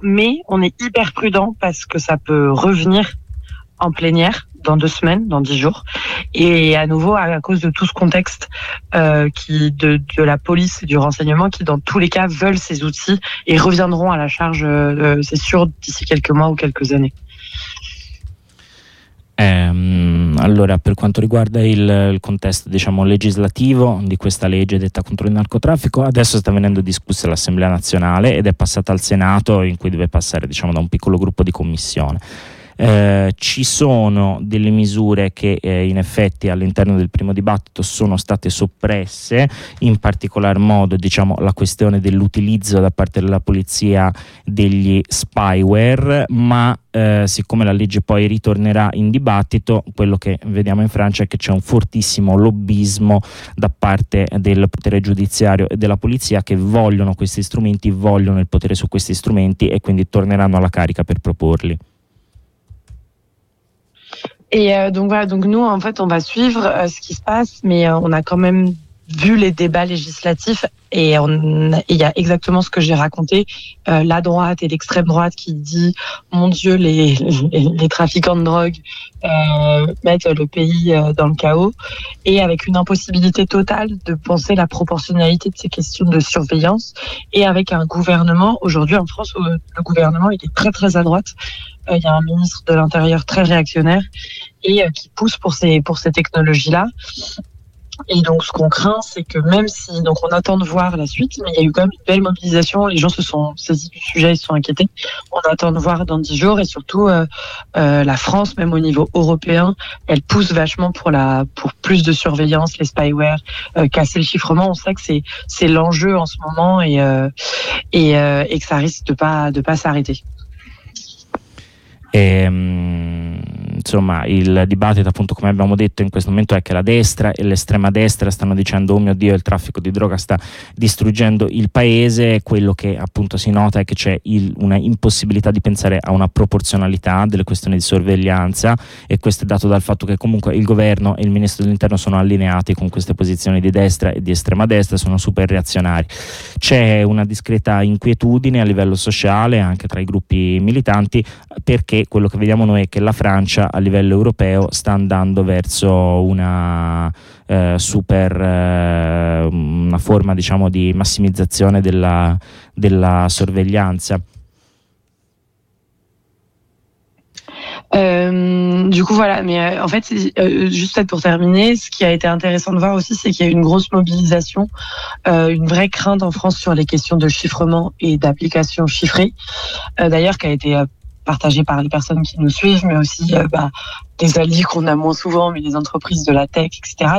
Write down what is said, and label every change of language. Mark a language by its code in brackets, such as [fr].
[fr] Mais on est hyper prudent parce que ça peut revenir en plénière dans 2 semaines, dans 10 jours, et à nouveau à cause de tout ce contexte qui de la police, du renseignement, qui dans tous les cas veulent ces outils et reviendront à la charge, c'est sûr, d'ici quelques mois ou quelques années. [it] Allora, per quanto riguarda il contesto, diciamo, legislativo di questa legge detta contro il narcotraffico, adesso sta venendo discussa all'Assemblea nazionale ed è passata al Senato, in cui deve passare, diciamo, da un piccolo gruppo di commissione. Ci sono delle misure che in effetti all'interno del primo dibattito sono state soppresse, in particolar modo, diciamo, la questione dell'utilizzo da parte della polizia degli spyware, ma siccome la legge poi ritornerà in dibattito, quello che vediamo in Francia è che c'è un fortissimo lobbismo da parte del potere giudiziario e della polizia, che vogliono questi strumenti, vogliono il potere su questi strumenti, e quindi torneranno alla carica per proporli. [fr] Et donc voilà, donc nous en fait on va suivre ce qui se passe, mais on a quand même vu les débats législatifs, et il y a exactement ce que j'ai raconté, la droite et l'extrême droite qui dit mon Dieu, les trafiquants de drogue mettent le pays dans le chaos, et avec une impossibilité totale de penser la proportionnalité de ces questions de surveillance, et avec un gouvernement aujourd'hui en France où le gouvernement il est très très à droite. Il y a un ministre de l'Intérieur très réactionnaire et qui pousse pour ces technologies-là. Et donc, ce qu'on craint, c'est que même si... Donc, on attend de voir la suite, mais il y a eu quand même une belle mobilisation. Les gens se sont saisis du sujet, ils se sont inquiétés. On attend de voir dans 10 jours. Et surtout, la France, même au niveau européen, elle pousse vachement pour plus de surveillance, les spyware, casser le chiffrement. On sait que c'est l'enjeu en ce moment et que ça risque de pas s'arrêter. [it] E insomma, il dibattito, appunto, come abbiamo detto in questo momento, è che la destra e l'estrema destra stanno dicendo: oh mio Dio, il traffico di droga sta distruggendo il paese. Quello che appunto si nota è che c'è una impossibilità di pensare a una proporzionalità delle questioni di sorveglianza, e questo è dato dal fatto che comunque il governo e il ministro dell'interno sono allineati con queste posizioni di destra e di estrema destra, sono super reazionari. C'è una discreta inquietudine a livello sociale anche tra i gruppi militanti, perché quello che vediamo noi è che la Francia a livello europeo sta andando verso una forma, diciamo, di massimizzazione della sorveglianza. [fr] Du coup, voilà, mais en fait, juste pour terminer, ce qui a été intéressant de voir aussi, c'est qu'il y a eu une grosse mobilisation, une vraie crainte en France sur les questions de chiffrement et d'application chiffrée, d'ailleurs, qui a été partagée par les personnes qui nous suivent, mais aussi des alliés qu'on a moins souvent, mais des entreprises de la tech, etc.